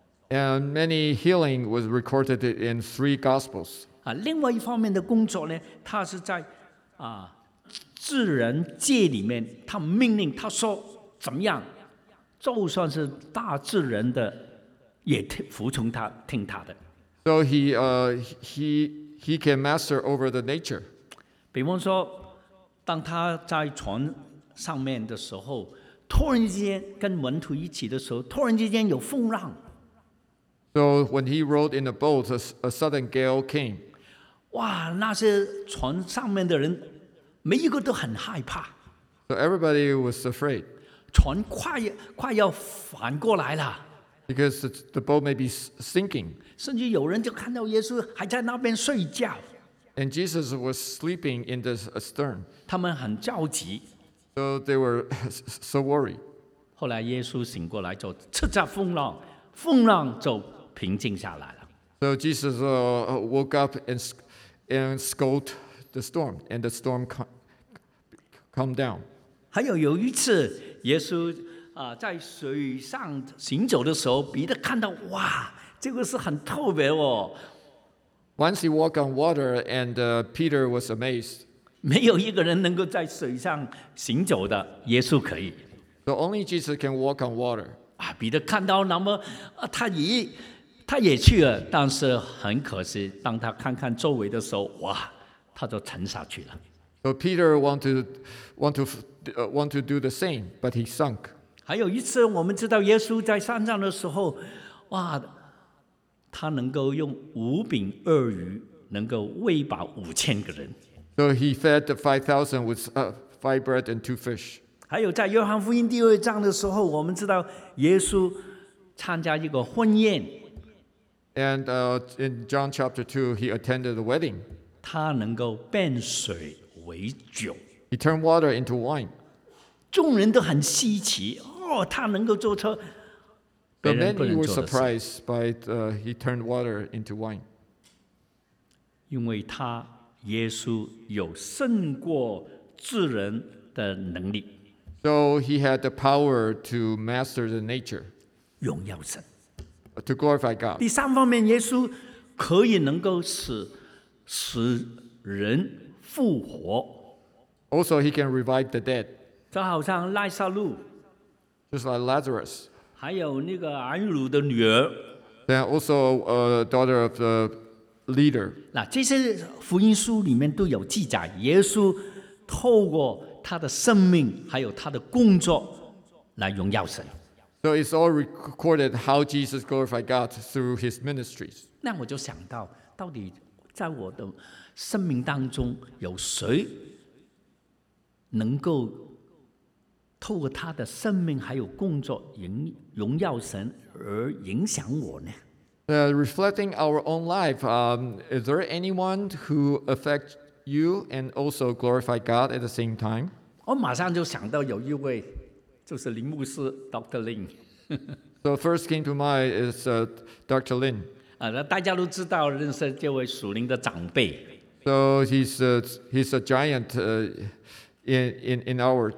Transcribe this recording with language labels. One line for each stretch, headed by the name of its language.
English: And many healing was recorded in three gospels.
Chinese: 另外一方面的工作呢，他是在自然界里面，他命令他说怎么样。就算是大智人的也服从他听他的。
English: So he can master over the nature.
Chinese: 比方说当他在船上面的时候突然间跟门徒一起的时候突然之间有风浪。
English: So when he rode in a boat, a sudden gale came.
Chinese: 哇那些船上面的人每一个都很害怕。
English: So everybody was afraid.
Chinese: 船快要翻过来了。
English: Because the boat may be sinking.
Chinese: 甚至有人就看到耶稣还在那边睡觉。
English: And Jesus was sleeping in the stern.
Chinese: 他们很焦急。
English: So they were so worried.
Chinese: 后来耶稣醒过来就叱咤风浪。风浪就平静下来了。
English: So Jesus woke up and scolded the storm, and the storm calmed down.
Chinese: 还有一次，耶稣在水上行走的时候，彼得看到，哇，这个是很特别哦。
English: Once he walked on water, and Peter was amazed.
Chinese: 没有一个人能够在水上行走的，耶稣可以。
English: So only Jesus can walk on water.
Chinese: 彼得看到那么、他也去了但是很可惜当他看看周围的时候哇他就沉下去了。
English: So Peter want to do the same, but he sunk.
Chinese: 还有一次我们知道耶稣在山上的时候哇他能够用五饼二鱼能够喂饱五千个人。
English: So he fed the 5,000 with five bread and two fish.
Chinese: 还有在约翰福音第二章的时候我们知道耶稣参加一个婚宴。
English: And in John chapter 2, he attended the wedding.
Chinese: 他能够变水为酒。
English: He turned water into wine.
Chinese: 众人都很稀奇、哦、他能够做出别人不能做的事。
English: But many were surprised by he turned water into wine.
Chinese: 因为他耶稣有胜过智人的能力。
English: So he had the power to master the nature.
Chinese: 荣耀神。
English: To glorify God.
Chinese: 第三方面耶稣可以能够 使人复活。
English: Also he can revive the dead.
Chinese: 就好像赖撒路。
English: Just like Lazarus.
Chinese: 还有那个安鲁的女儿。
English: Then also a daughter of the leader.
Chinese: 这些福音书里面都有记载耶稣透过他的生命还有他的工作来荣耀神。
English: So it's all recorded how Jesus glorified God through his ministries.
Chinese: 那我就想到到底在我的生命当中有谁能够透过他的生命还有工作荣耀神而影响我呢？
English: Reflecting our own life, is there anyone who affects you and also glorify God at the same time?
Chinese: 我马上就想到有一位，就是林牧师 ，Dr. Lin。
English: So first came to mind is Dr. Lin。
Chinese: 大家都知道认识这位属灵的长辈。
English: So he's a giant in our.